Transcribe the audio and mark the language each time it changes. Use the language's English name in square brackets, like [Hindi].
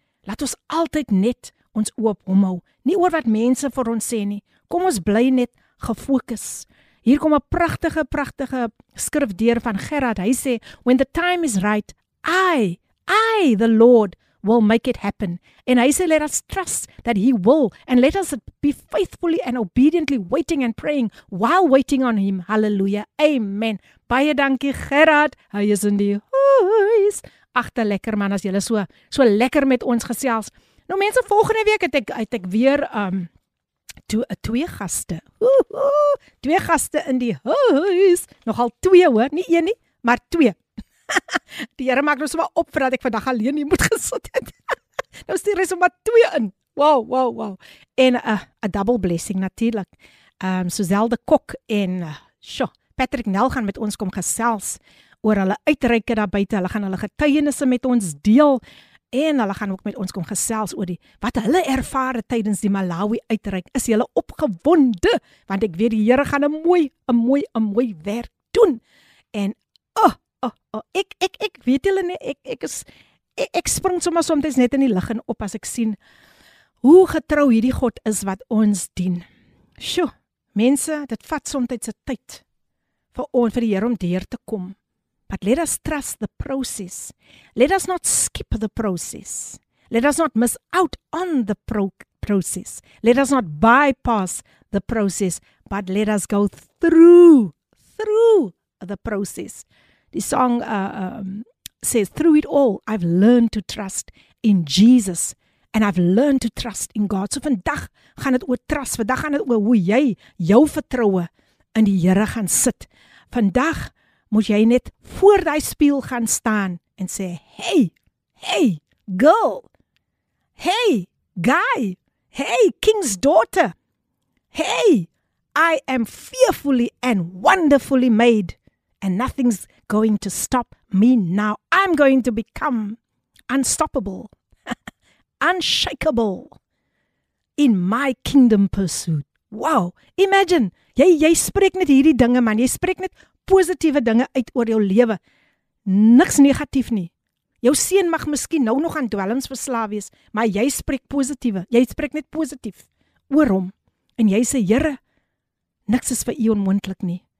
[Afrikaans] Laat ons altyd net ons oë op hom hou. Nie oor wat mense vir ons sê nie. Kom ons bly net gefokus. Hier kom 'n pragtige skrifdeur van Gerard. Hy sê, [English] when the time is right, I, the Lord, will make it happen. And [Afrikaans] hy sê, [English] let us trust that he will. And let us be faithfully and obediently waiting and praying while waiting on him. [Afrikaans] Hallelujah. Amen. Baie dankie, Gerard. Hy is in die huis. Agter lekker man, as julle so lekker met ons gesels. Nou mense, volgende week het ek weer twee gaste. Twee gaste in die huis. Nogal twee hoor, nie een nie, maar twee. Die Here maak nou sommer op voordat ek vandag alleen hier moet gesit het. Nou stuur hy sommer twee in. Wow. En 'n [English] double blessing [Afrikaans] natuurlik. Suzelle de Kok en Patrick Nel gaan met ons kom gesels oor hulle uitreike daar buite. Hulle gaan hulle getuienisse met ons deel en hulle gaan ook met ons kom gesels oor wat hulle ervaar tydens die Malawi uitreik. Is jy opgewonde? Want ek weet die Here gaan een mooi werk doen. En ek weet julle nie, ek spring sommer soms net in die lig en op as ek sien hoe getrou hierdie God is wat ons dien. Sjoe, mense, dit vat soms 'n tyd vir die Here om deur te kom. [English] But let us trust the process. Let us not skip the process. Let us not miss out on the process. Let us not bypass the process. But let us go through the process. The song says, through it all, I've learned to trust in Jesus. And I've learned to trust in God. [Afrikaans] So vandag gaan het oor trust. Vandag gaan het oor hoe jy jou vertroue in die Here gaan sit. Vandag moet jy net voor daai spieël gaan staan en sê, [English] hey, girl, hey, guy, hey, king's daughter, hey, I am fearfully and wonderfully made and nothing's going to stop me now. I'm going to become unstoppable, unshakable in my kingdom pursuit. Wow, imagine, [Afrikaans] jy spreek net hierdie dinge, man, jy spreek net positiewe dinge uit oor jou lewe. Niks negatief nie. Jou seun mag miskien nou nog aan dwelms verslaaf wees, maar jy spreek positief. Jy spreek net positief oor hom. en jy sê, Here, niks is vir u onmoontlik nie.